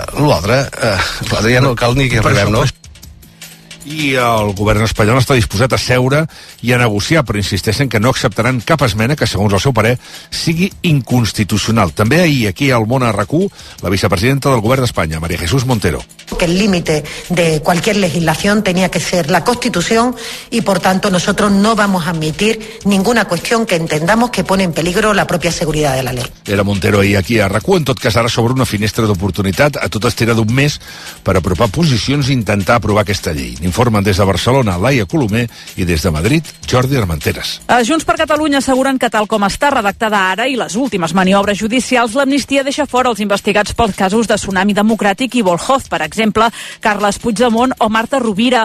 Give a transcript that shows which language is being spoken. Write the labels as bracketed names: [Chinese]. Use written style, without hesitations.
[Catalan] L'altre ja no cal ni que arribem, no? I el govern espanyol està disposat a seure i a negociar, però insisteixen que no acceptaran cap esmena que, segons el seu parer, sigui inconstitucional. També ahir, aquí al món a RAC1, la vicepresidenta del govern d'Espanya, María Jesús Montero. [Spanish] Que el límite de cualquier legislación tenía que ser la Constitución y, por tanto, nosotros no vamos a admitir ninguna cuestión que entendamos que pone en peligro la propia seguridad de la ley. [Catalan] Era Montero ahir aquí a RAC1, en tot cas ara s'obre una finestra d'oportunitat a tot estirar d'un mes per apropar posicions i intentar aprovar aquesta llei. Informen des de Barcelona Laia Colomer i des de Madrid Jordi Armenteres. A Junts per Catalunya asseguren que tal com està redactada ara i les últimes maniobres judicials, l'amnistia deixa fora els investigats pels casos de Tsunami Democràtic i Volhov, per exemple, Carles Puigdemont o Marta Rovira.